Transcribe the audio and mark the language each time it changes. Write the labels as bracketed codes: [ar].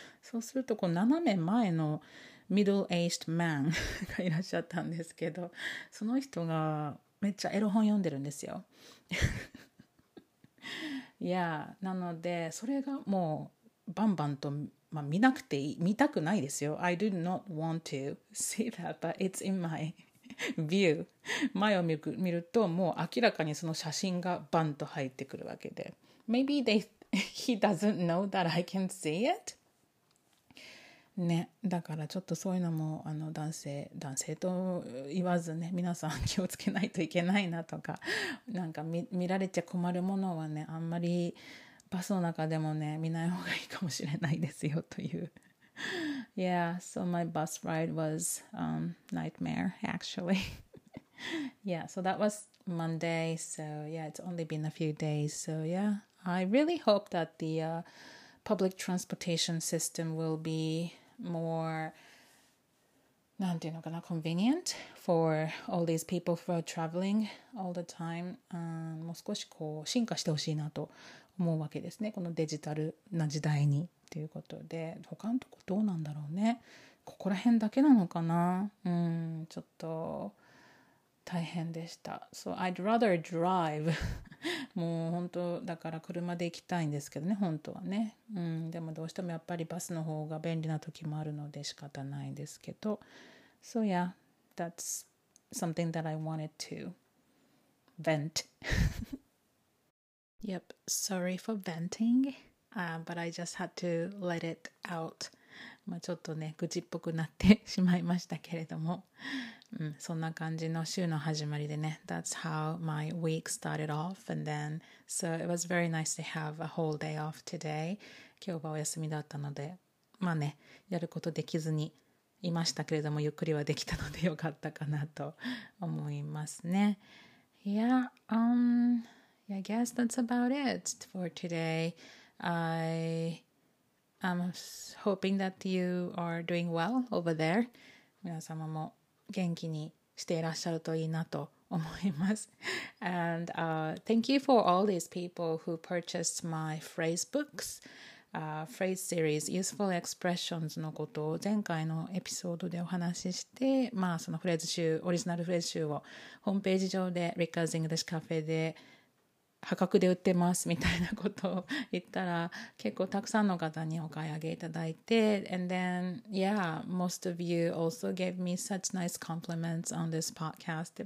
[ja] そうするとこう斜め前の [en] middle-aged man [ja] がいらっしゃったんですけど、その人がめっちゃエロ本読んでるんですよ。いや、なのでそれがもうバンバンと、まあ、見なくていい、見たくないですよ。 [en] I do not want to see that, but it's in my view. [ja] 前を見るともう明らかにその写真がバンと入ってくるわけで、 [en] maybe he doesn't know that I can see it [ja] ね。だからちょっとそういうのもあの男性と言わずね、皆さん気をつけないといけないなとか、なんか 見られちゃ困るものはね、あんまりバスの中でもね見ない方がいいかもしれないですよという。 [en] Yeah, so my bus ride was nightmare actually. Yeah, so that was Monday. So yeah, it's only been a few days. So yeah, I really hope that the public transportation system will be more, [ja] なんていうのかな、 [en] convenient for all these people who are traveling all the time. [ja] もう少しこう進化してほしいなと思うわけですね、このデジタルな時代にということで。他のとこどうなんだろうね、ここら辺だけなのかな。うん、ちょっと大変でした。 [en] So I'd rather drive [ja] もう本当だから車で行きたいんですけどね、本当はね。うん、でもどうしてもやっぱりバスの方が便利な時もあるので仕方ないんですけど、 [en] So yeah, that's something that I wanted to vent. Yep, sorry for venting, but I just had to let it out. [ja] まあちょっとね、愚痴っぽくなってしまいましたけれども、うん、そんな感じの週の始まりでね。 [en] That's how my week started off, and then, so it was very nice to have a whole day off today. [ja] 今日はお休みだったので、まあね、やることできずにいましたけれども、ゆっくりはできたのでよかったかなと思いますね。 [en] Yeah, I guess that's about it for today. I am hoping that you are doing well over there. [ja] 皆様も元気にしていらっしゃるといいなと思います。 [en] And thank you for all these people who purchased my phrase books, phrase series, useful expressions [ja] のことを前回のエピソードでお話しして、まあそのフレーズ集、オリジナルフレーズ集をホームページ上で Rika's English Cafe で破格で売ってますみたいなことを言ったら、結構たくさんの方にお買い上げいただいて、 [en] and then yeah, most of you also gave me such nice compliments on this podcast.